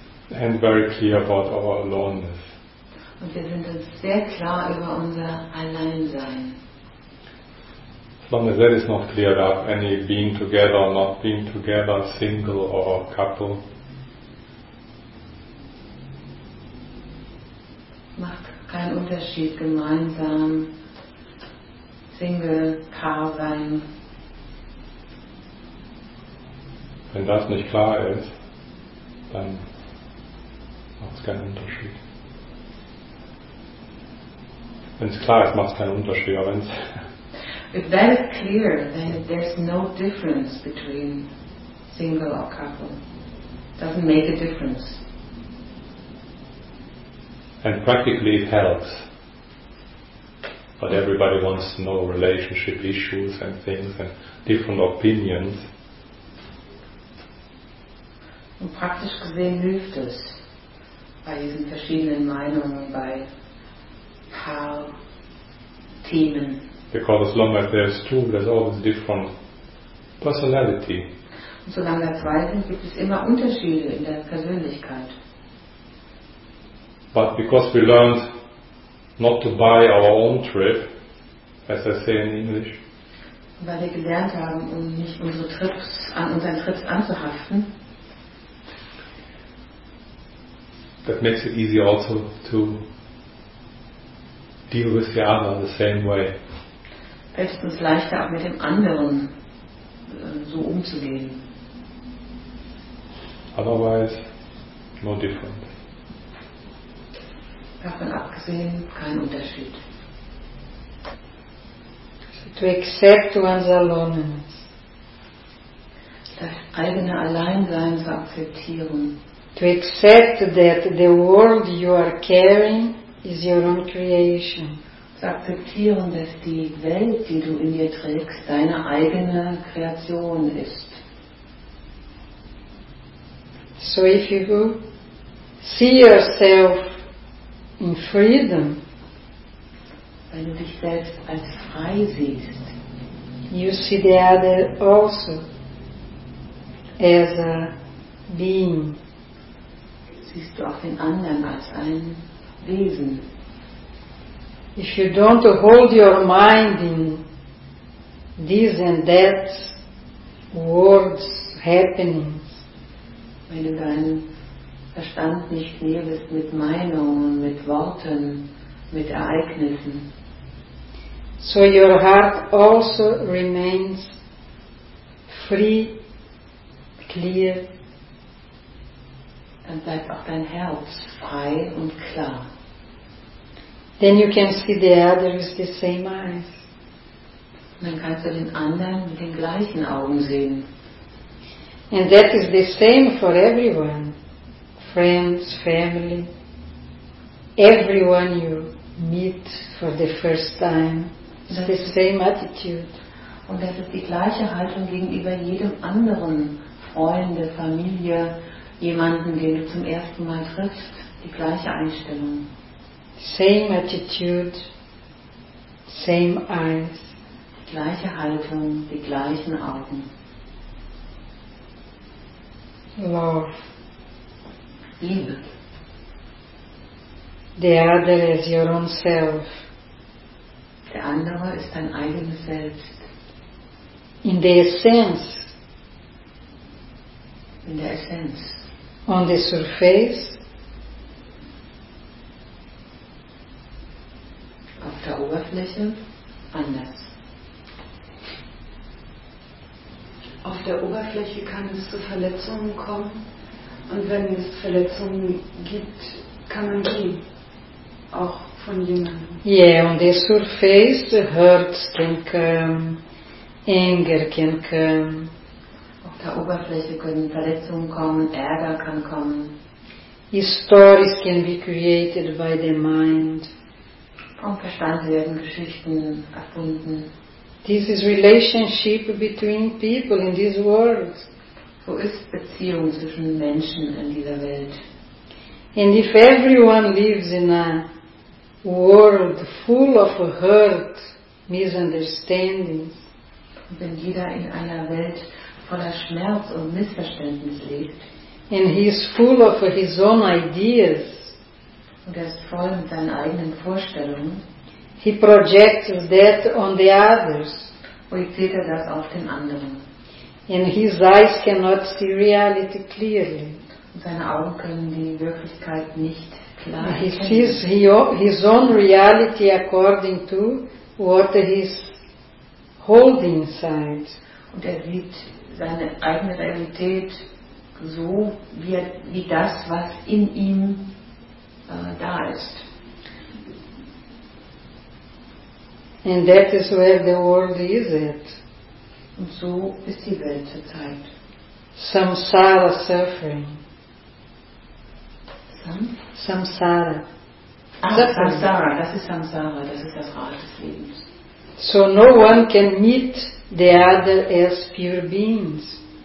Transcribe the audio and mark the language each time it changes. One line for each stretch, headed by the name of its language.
English: And very clear about our aloneness.
German: Und wir sind uns sehr klar über unser Alleinsein.
English: As long as that is not cleared up, any being together or not being together, single or a couple,
German: macht keinen Unterschied, gemeinsam, single, paar sein. Wenn das nicht klar ist, dann macht es keinen Unterschied. Wenn es klar ist, macht es keinen Unterschied.
English: If that is clear, then there's no difference between single or couple. Doesn't make a difference. And practically it helps. But everybody wants to know relationship issues and things and different opinions.
German: Und praktisch gesehen hilft es bei diesen verschiedenen Meinungen, bei Paar-Themen.
English: Because as long as there's two, there's always different personality.
German: Und solange da zwei sind, gibt es immer Unterschiede in der Persönlichkeit.
English: But because we learned not to buy our own trip, as I say in English.
German: Weil wir gelernt haben, um nicht unsere Trips an unseren Trips anzuhaften.
English: That makes it easy also to deal with the other the same way.
German: Fällt es uns leichter, auch mit dem anderen so umzugehen.
English: Otherwise, no difference.
German: Davon abgesehen, kein Unterschied.
English: So to accept one's aloneness.
German: Das eigene Alleinsein zu akzeptieren.
English: To accept that the world you are carrying is your own creation.
German: Zu akzeptieren, dass die Welt, die du in dir trägst, deine eigene Kreation ist.
English: So if you see yourself in freedom,
German: wenn du dich selbst als frei siehst,
English: you see the other also as a being.
German: Siehst du auch den anderen als ein Wesen.
English: If you don't hold your mind in this and that words, happenings,
German: wenn du deinen Verstand nicht mehr bist mit Meinungen, mit Worten, mit Ereignissen.
English: So your heart also remains free, clear.
German: Dann bleibt auch dein Herz frei und klar.
English: Then you can see the other with the same eyes.
German: Und dann kannst du den anderen mit den gleichen Augen sehen.
English: And that is the same for everyone. Friends, family, everyone you meet for the first time, it's the same attitude.
German: Und das ist die gleiche Haltung gegenüber jedem anderen, Freunde, Familie, jemanden, den du zum ersten Mal triffst, die gleiche Einstellung.
English: Same attitude, same eyes.
German: Die gleiche Haltung, die gleichen Augen.
English: love.
German: Liebe.
English: The other is your own self.
German: Der andere ist dein eigenes Selbst.
English: In the essence.
German: In der Essenz.
English: On the surface.
German: Auf der Oberfläche anders. Auf der Oberfläche kann es zu Verletzungen kommen. Und wenn es Verletzungen gibt, kann man gehen. Auch von jemandem.
English: Yeah, on the surface, the hurts can come, anger can come.
German: Auf der Oberfläche können Verletzungen kommen, Ärger kann kommen.
English: Stories can be created by the mind.
German: Vom Verstand werden Geschichten erfunden.
English: This is relationship between people in this world.
German: So ist Beziehung zwischen Menschen in dieser Welt.
English: And if everyone lives in a world full of hurt, misunderstandings,
German: wenn jeder in einer Welt voller Schmerz und Missverständnis lebt,
English: and he is full of his own ideas,
German: und er ist voll mit seinen eigenen Vorstellungen,
English: he projects that on the others,
German: projiziert er das auf den anderen.
English: And his eyes cannot see reality clearly.
German: Und seine Augen können die Wirklichkeit nicht klar sehen.
English: He sees his own reality according to what he is holding inside.
German: Und er sieht seine eigene Realität so, wie das, was in ihm da ist.
English: And that is where the world is at.
German: Und so ist die Welt zur Zeit.
English: Samsara suffering.
German: Samsara. Samsara, das ist Samsara, das ist das Rad des Lebens.
English: So no one can meet the other as pure beings.